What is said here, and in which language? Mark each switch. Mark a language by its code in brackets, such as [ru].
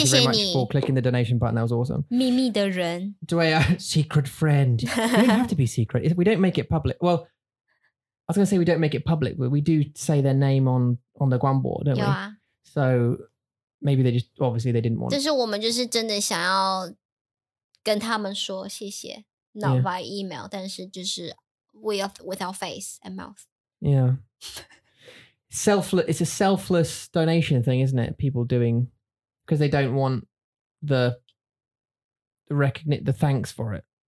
[zh] 谢谢 [en] 你 you very much for clicking the donation button. That was awesome. [zh] 秘密的人。 [en] Dwayne, secret friend. We don't have to be secret. We don't make it public. Well, I was going to say we don't make it public, but we do say their name on the Guanbo, don't we? Yeah. So maybe they just, obviously they didn't want it. [zh] 但是我们就是真的想要跟他们说谢谢。 [en] Not by email, [zh] 但是就是 [en] with our face and mouth. Yeah. It's a selfless donation thing, isn't it? People doing, because they don't want the thanks for it.